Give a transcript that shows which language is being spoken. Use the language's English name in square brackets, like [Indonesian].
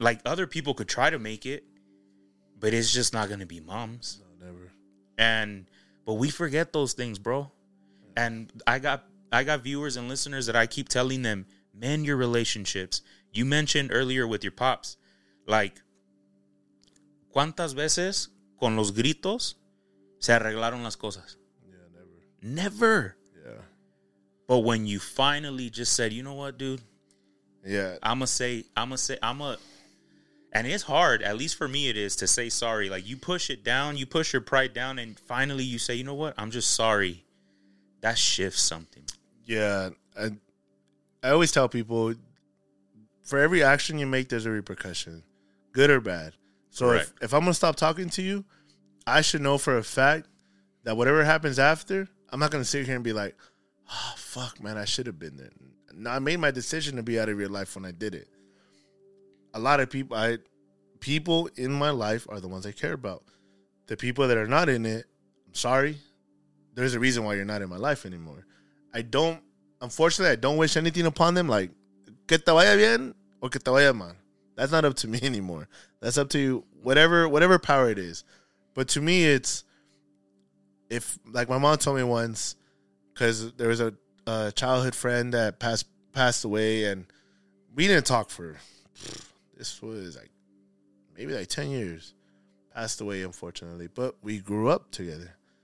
[English] Like, other people could try to make it, but it's just not going to be mom's. No, never. And... But we forget those things, bro. Yeah. And I got viewers and listeners that I keep telling them, mend your relationships. You mentioned earlier with your pops. [Spanish] Like, ¿cuántas veces con los gritos se arreglaron las cosas? [English] Never. Yeah. But when you finally just said, you know what, dude? Yeah. And it's hard, at least for me it is, to say sorry. Like, you push it down, you push your pride down, and finally you say, you know what, I'm just sorry. That shifts something. Yeah. I always tell people, for every action you make, there's a repercussion, good or bad. So if I'm going to stop talking to you, I should know for a fact that whatever happens after, I'm not going to sit here and be like, oh, fuck, man, I should have been there. No, I made my decision to be out of your life when I did it. A lot of people in my life are the ones I care about. The people that are not in it, I'm sorry. There's a reason why you're not in my life anymore. Unfortunately, I don't wish anything upon them. [Spanish] Like, que te vaya bien o que te vaya mal. [English] That's not up to me anymore. That's up to you, whatever power it is. But to me, it's, if, like, my mom told me once, because there was a childhood friend that passed away, and we didn't talk for, this was like maybe like 10 years, passed away, unfortunately, but we grew up together.